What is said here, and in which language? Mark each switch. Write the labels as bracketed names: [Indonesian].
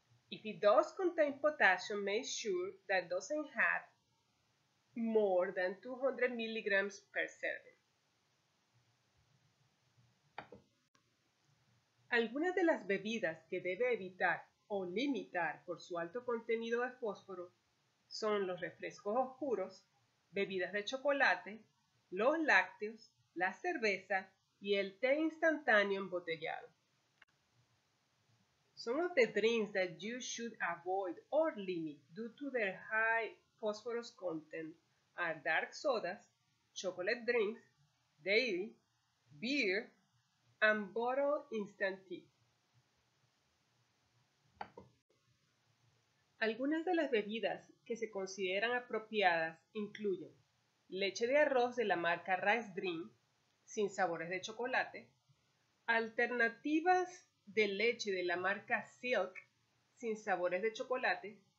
[English] If it does contain potassium, make sure that it doesn't have more than 200 milligrams per serving. [Spanish] Algunas de las bebidas que debe evitar o limitar por su alto contenido de fósforo son los refrescos oscuros, bebidas de chocolate, los lácteos, la cerveza y el té instantáneo embotellado. [English] Some of the drinks that you should avoid or limit due to their high phosphorus content are dark sodas, chocolate drinks, dairy, beer, and bottled instant tea. [Spanish] Algunas de las bebidas que se consideran apropiadas incluyen leche de arroz de la marca Rice Dream, sin sabores de chocolate, alternativas de leche de la marca Silk, sin sabores de chocolate,